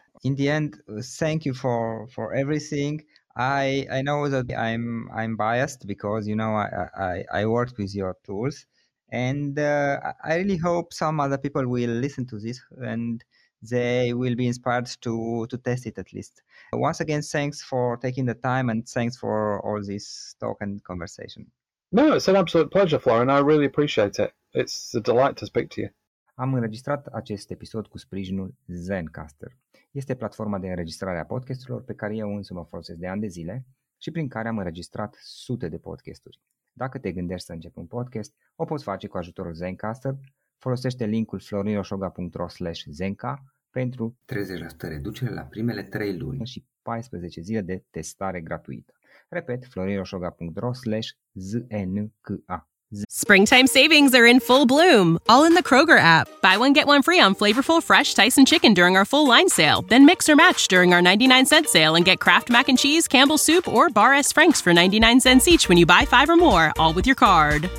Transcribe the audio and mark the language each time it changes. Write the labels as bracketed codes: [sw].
[en] In the end, thank you for everything. I know that I'm biased because, you know, I worked with your tools, and I really hope some other people will listen to this and they will be inspired to test it at least. Once again, thanks for taking the time and thanks for all this talk and conversation. No, it's an absolute pleasure, Florin, and I really appreciate it. It's a delight to speak to you. [ro] Am înregistrat acest episod cu sprijinul Zencastr. Este platforma de înregistrare a podcasturilor pe care eu însumi o folosesc de ani de zile și prin care am înregistrat sute de podcasturi. Dacă te gândești să începi un podcast, o poți face cu ajutorul Zencastr. Folosește linkul florinosoga.ro/zenca pentru 30% reducere la primele 3 luni și 14 zile de testare gratuită. Repet, florinosoga.ro/zenca. [en] Springtime savings are in full bloom, all in the Kroger app. Buy one, get one free on flavorful fresh Tyson chicken during our full line sale. Then mix or match during our 99-cent sale and get Kraft mac and cheese, Campbell's soup, or Bar S Franks for 99 cents each when you buy five or more, all with your card.